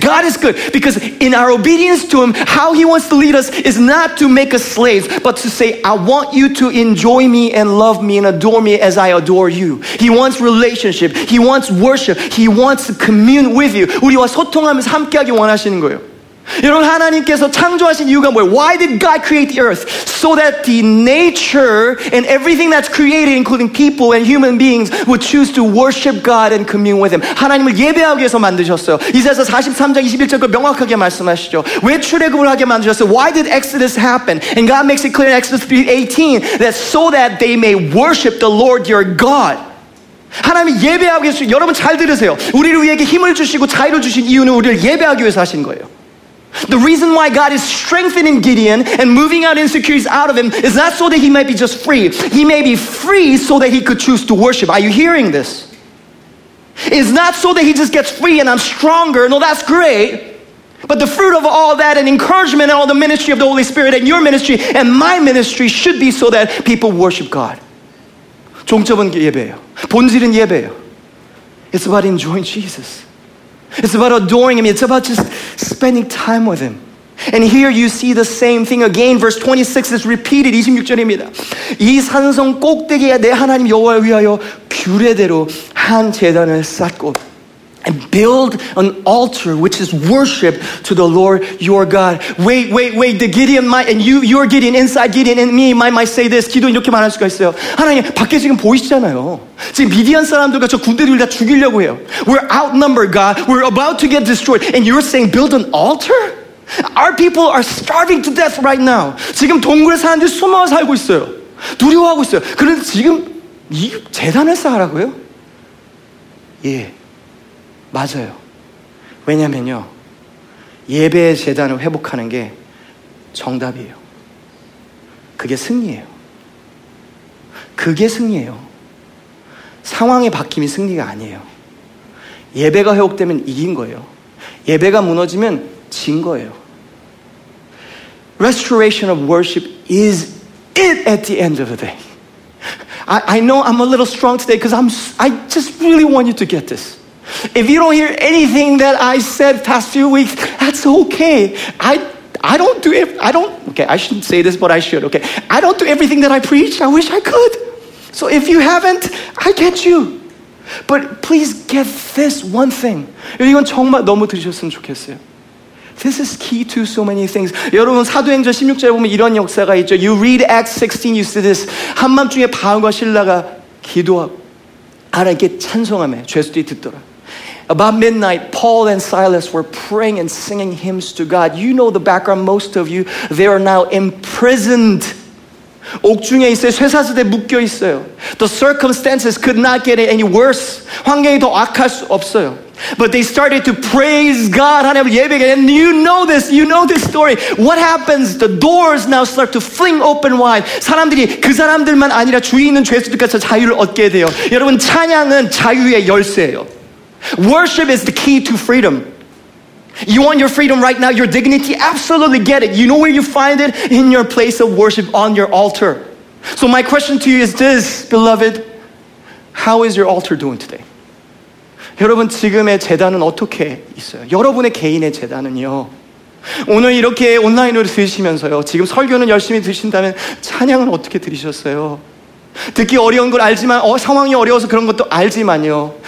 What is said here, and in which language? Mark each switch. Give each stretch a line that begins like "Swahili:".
English: God is good because in our obedience to Him, how He wants to lead us is not to make us slaves, but to say, I want you to enjoy me and love me and adore me as I adore you. He wants relationship. He wants worship. He wants to commune with you.
Korean: 우리와 소통하면서 함께하기 원하시는 거예요. 여러분 하나님께서 창조하신 이유가 뭐예요?
English: Why did God create the earth? So that the nature and everything that's created, including people and human beings, would choose to worship God and commune with Him.
Korean: 하나님을 예배하기 위해서 만드셨어요. 이사야서 43장 21절을 명확하게 말씀하시죠. 왜 출애굽을 하게 만드셨어요?
English: Why did Exodus happen? And God makes it clear in Exodus 3:18 that so that they may worship the Lord your God.
Korean: 하나님이 예배하기 위해서, 여러분 잘 들으세요. 우리를 위해 힘을 주시고 자유를 주신 이유는 우리를 예배하기 위해서 하신 거예요.
English: The reason why God is strengthening Gideon and moving out insecurities out of him is not so that he might be just free. He may be free so that he could choose to worship. Are you hearing this? It's not so that he just gets free and I'm stronger. No, that's great. But the fruit of all that and encouragement and all the ministry of the Holy Spirit and your ministry and my ministry should be so that people worship God.
Korean: 종점은 예배예요. 본질은 예배예요.
English: It's about enjoying Jesus. It's about adoring Him. It's about just spending time with Him. And here you see the same thing again. Verse 26 is repeated.
Korean: 26절입니다. 이 산성 꼭대기에 내 하나님 여호와를 위하여 규례대로 한 제단을 쌓고
English: And build an altar, which is worship to the Lord your God. Wait. The Gideon might, and you're Gideon, inside Gideon, and me might say this.
Korean: 기도 이렇게 말할 수가 있어요. 하나님, 밖에 지금 보이시잖아요. 지금 미디안 사람들과 저 군대들 다 죽이려고 해요.
English: We're outnumbered, God. We're about to get destroyed. And you're saying, build an altar? Our people are starving to death right now.
Korean: 지금 동굴에 사람들이 숨어 살고 있어요. 두려워하고 있어요. 그런데 지금 이 제단을 쌓으라고요? 예. 맞아요. 왜냐면요. 예배의 제단을 회복하는 게 정답이에요. 그게 승리예요. 그게 승리예요. 상황의 바뀜이 승리가 아니에요. 예배가 회복되면 이긴 거예요. 예배가 무너지면 진 거예요.
English: Restoration of worship is it at the end of the day. I know I'm a little strong today because I just really want you to get this. If you don't hear anything that I said past few weeks, that's okay. I don't do everything that I preach. I wish I could. So if you haven't, I get you. But please get this one thing.
Korean: 이건 정말 너무 들으셨으면 좋겠어요.
English: This is key to so many things.
Korean: 여러분 사도행전 16절에 보면 이런 역사가 있죠.
English: You read Acts 16, you see this.
Korean: 한밤중에 바울과 실라가 기도하고 하나님께 찬송하며 죄수들이 듣더라.
English: About midnight, Paul and Silas were praying and singing hymns to God. You know the background, most of you. They are now imprisoned.
Korean: 옥중에 있어요. 쇠사슬에 묶여 있어요.
English: The circumstances could not get any worse.
Korean: 환경이 더 악할 수 없어요.
English: But they started to praise God. And you know this story. What happens? The doors now start to fling open wide.
Korean: 사람들이 그 사람들만 아니라 주위에 있는 죄수들까지 자유를 얻게 돼요. 여러분, 찬양은 자유의 열쇠예요.
English: Worship is the key to freedom. You want your freedom right now, your dignity? Absolutely get it. You know where you find it? In your place of worship, on your altar. So my question to you is this, beloved. How is your altar doing today?
Korean: 여러분 지금의 제단은 어떻게 있어요? 여러분의 개인의 제단은요. 오늘 이렇게 온라인으로 들으시면서요. 지금 설교는 열심히 들으신다면 찬양은 어떻게 들으셨어요? 듣기 어려운 걸 알지만 상황이 어려워서 그런 것도 알지만요.